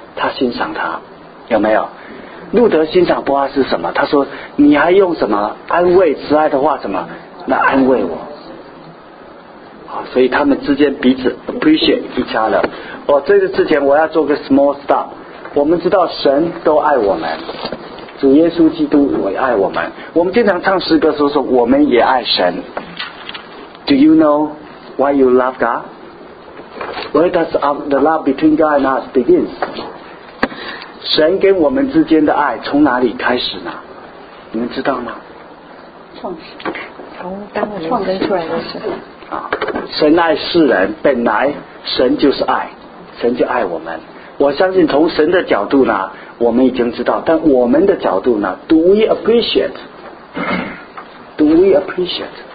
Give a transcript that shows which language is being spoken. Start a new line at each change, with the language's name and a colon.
Chinese: 她欣赏他，有没有？路德欣赏波阿斯什么？他说：“你还用什么安慰慈爱的话什么来安慰我？” 好，所以他们之间彼此
English: appreciate each other。
Chinese: 哦，这个之前我要做个
English: small stop。
Chinese: 我们知道神都爱我们，主耶稣基督也爱我们。我们经常唱诗歌的时候说我们也爱神。
English: Do you know why you love God? Where does the love between God and us begins?
Chinese: 神跟我们之间的爱从哪里开始呢？你们知道吗？创始，从当我们生出来的时候。啊，神爱世人，本来神就是爱，神就爱我们。我相信从神的角度呢，我们已经知道，但我们的角度呢 ，
English: Do we appreciate？ Do we appreciate？